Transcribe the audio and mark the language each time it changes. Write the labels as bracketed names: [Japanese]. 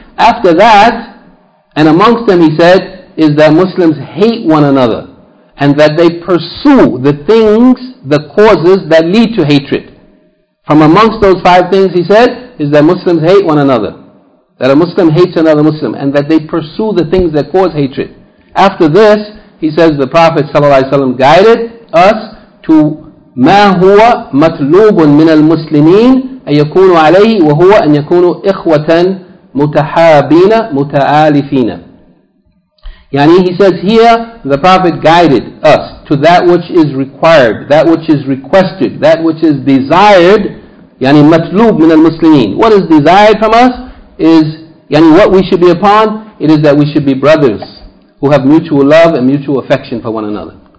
[English] After that, and amongst them he said, is that Muslims hate one another and that they pursue the things, the causes that lead to hatred. From amongst those five things he said, is that Muslims hate one another, that a Muslim hates another Muslim, and that they pursue the things that cause hatred. After this, he says the Prophet ﷺ guided us to [Arabic] ما هو مطلوب من المسلمين أن يكونوا عليه وهو أن يكونوا إخوة متحابين متآلفين. [English] يعني he says here the Prophet guided us to that which is required, that which is requested, that which is desired. [Arabic] يعني مطلوب من المسلمين. [English] What is desired from us is يعني what we should be upon. It is that we should be brothers who have mutual love and mutual affection for one another.